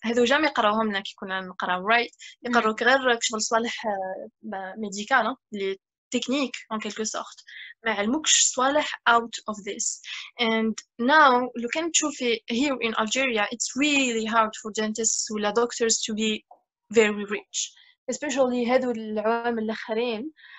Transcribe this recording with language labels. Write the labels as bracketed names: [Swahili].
[Arabic] هذو جامي قراوهم لنا كي كنا نقراو right. يقروك غير شغل صوالح ميديكال اللي تكنيك [French] en quelque sorte. [Arabic] ما علموكش صوالح [English] out of this. And now, [Arabic] لو كان تشوفي [English] here in Algeria, it's really hard for dentists ولا doctors to be very rich. [Arabic] Especially هذو العوامل الاخرين.